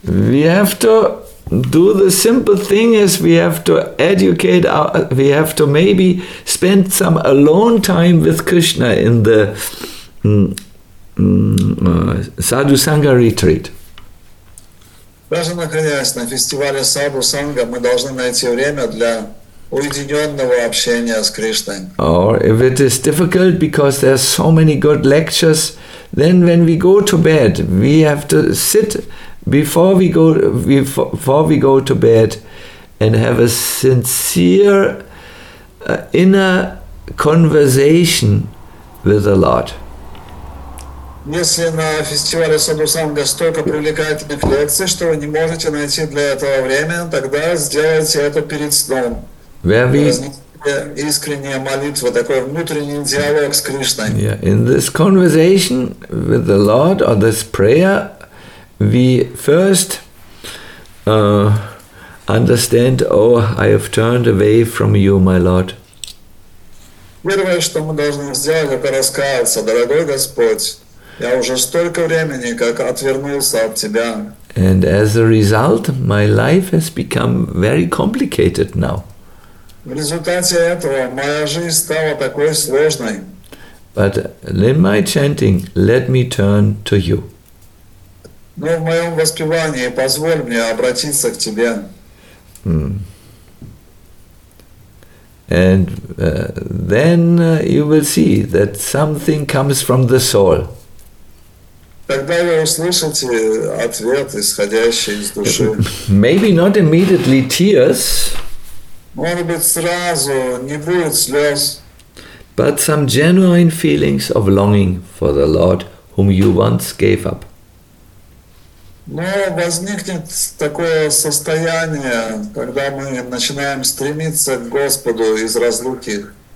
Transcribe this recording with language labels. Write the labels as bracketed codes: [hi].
[en] We have to do the simple thing is we have to educate, we have to maybe spend some alone time with Krishna in the Sadhu Sangha retreat. [ru] Даже находясь на фестивале Садху Санга, мы должны найти время для уединенного общения с Кришной. [en] Or if it is difficult because there are so many good lectures, then when we go to bed, we have to sit before we go to bed and have a sincere inner conversation with the Lord. [ru] Если на фестивале Садху Санга столько привлекательных лекций, что вы не можете найти для этого время, тогда сделайте это перед сном. Возникнет искренняя молитва, такой внутренний диалог с Кришной. [en] Yeah. In this conversation with the Lord or this prayer, we first understand, oh, I have turned away from you, my Lord. [ru] Первое, что мы должны сделать, это раскаяться, дорогой Господь. Я уже столько времени, как отвернулся от тебя. [en] And as a result, my life has become very complicated now. [ru] В результате этого моя жизнь стала такой сложной. [en] But in my chanting, let me turn to you. [ru] Но в моем воспевании позволь мне обратиться к тебе. [en] And then you will see that something comes from the soul. [ru] Тогда вы услышите ответ, исходящий из души. [en] Maybe not immediately tears. [ru] Может быть, сразу не будет слез. [en] But some genuine feelings of longing for the Lord, whom you once gave up. [ru] Но возникнет такое состояние, когда мы начинаем стремиться к Господу из разлуки.